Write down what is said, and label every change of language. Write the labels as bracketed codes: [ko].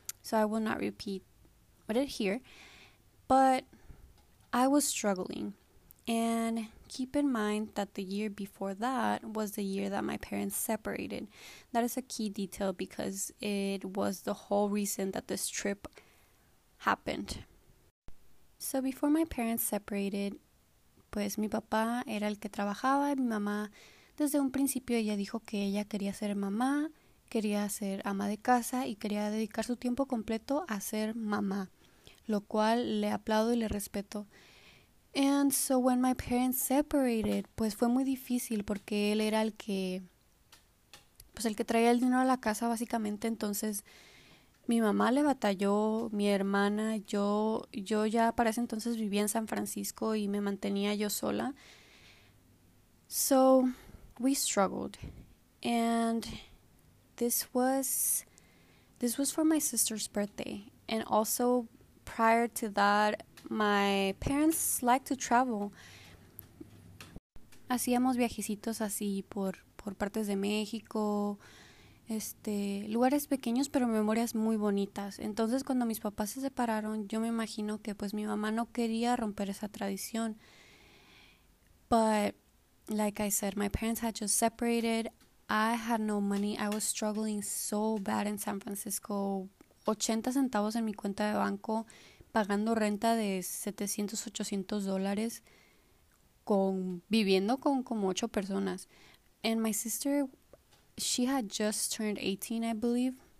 [en] So I will not repeat it here. But I was struggling. And keep in mind that the year before that was the year that my parents separated. That is a key detail because it was the whole reason that this trip happened. So before my parents separated, [es] pues mi papá era el que trabajaba, y mi mamá desde un principio ella dijo que ella quería ser mamá, quería ser ama de casa y quería dedicar su tiempo completo a ser mamá, lo cual le aplaudo y le respeto. [en] And so when my parents separated, [es] pues fue muy difícil porque él era el que, pues el que traía el dinero a la casa básicamente. Entonces mi mamá le batalló, mi hermana, yo ya para ese entonces vivía en San Francisco y me mantenía yo sola. [en] So we struggled, and this was for my sister's birthday, and also prior to that, my parents like to travel. [es] Hacíamos viajecitos así por partes de México, lugares pequeños pero memorias muy bonitas. Entonces cuando mis papás se separaron, yo me imagino que pues mi mamá no quería romper esa tradición. [en] But like I said, my parents had just separated. I had no money. I was struggling so bad in San Francisco. [es] 80 centavos en mi cuenta de banco, pagando renta de 700, 800 dólares, viviendo con como 8 personas. [en] And my sister, she had just turned 18, I believe,